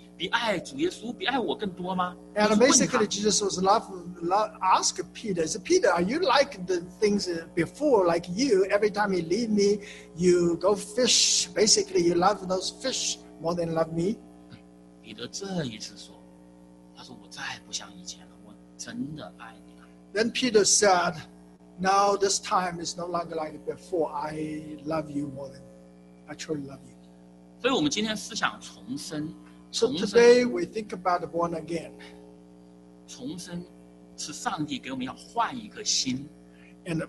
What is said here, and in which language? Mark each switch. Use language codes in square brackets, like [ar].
[zh] 所以耶稣问他：“你还是像以前离开我的时候那个样子吗？你还是爱这些鱼，比爱主耶稣、比爱我更多吗？” [en] And basically, Jesus was asked Peter, "Is Peter, are you like the things before, like you? Every time you leave me, you go fish. Basically, you love those fish." More than love me. [zh] 彼得这一次说，他说我再也不像以前了，我真的爱你了。 [en] Then Peter said, "Now this time is no longer like before. I love you more than I truly love you." [zh] 所以我们今天思想重生。 [en] So today we think about born again. [zh] 重生是上帝给我们要换一个心。 [en] And